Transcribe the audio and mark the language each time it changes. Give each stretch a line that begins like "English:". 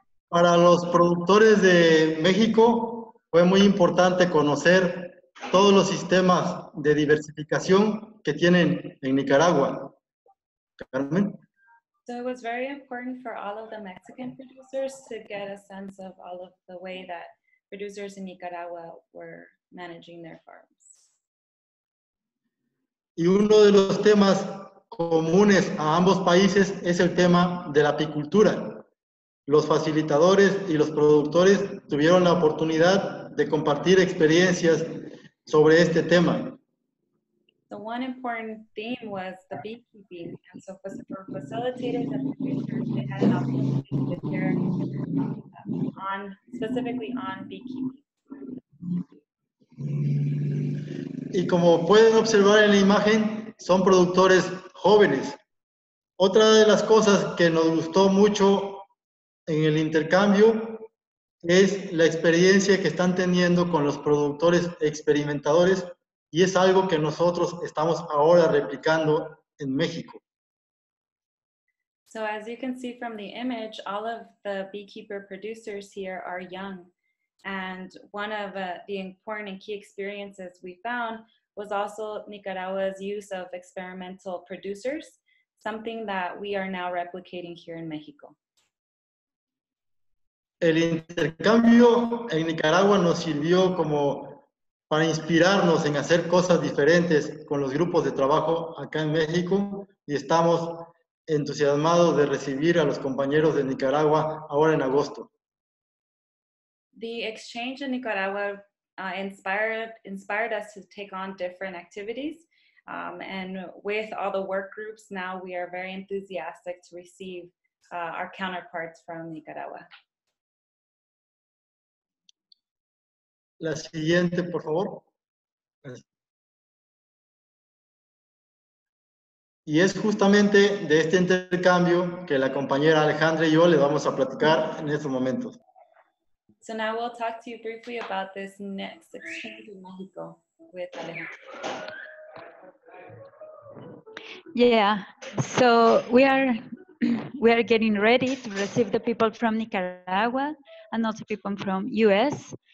Spanish: Para los productores de México fue muy importante conocer todos los sistemas de diversificación que tienen en Nicaragua. Carmen.
English: So it was very important for all of the Mexican producers to get a sense of all of the way that producers in Nicaragua were managing their farms.
Spanish: Y uno de los temas comunes a ambos países es el tema de la apicultura. Los facilitadores y los productores tuvieron la oportunidad de compartir experiencias sobre este tema.
English: The one important theme was the beekeeping, and so for facilitators and producers, they had an opportunity to share specifically on beekeeping.
Spanish: Y como pueden observar en la imagen, son productores jóvenes. Otra de las cosas que nos gustó mucho en el intercambio es la experiencia que están teniendo con los productores experimentadores y es algo que nosotros estamos ahora replicando en México.
English: So as you can see from the image, all of the beekeeper producers here are young. And one of the important and key experiences we found was also Nicaragua's use of experimental producers, something that we are now replicating here in Mexico.
Spanish: El intercambio en Nicaragua nos sirvió como para inspirarnos en hacer cosas diferentes con los grupos de trabajo acá en México y estamos entusiasmados de recibir a los compañeros de Nicaragua ahora en agosto.
English: The exchange in Nicaragua inspired us to take on different activities and with all the work groups now we are very enthusiastic to receive our counterparts from Nicaragua.
Spanish: La siguiente, por favor. Y es justamente de este intercambio que la compañera Alejandra y yo les vamos a platicar en estos momentos.
English: So now we'll talk to you briefly about this next exchange in Mexico with Alejandra. Yeah, so we are getting ready to receive the people from Nicaragua and also people from US.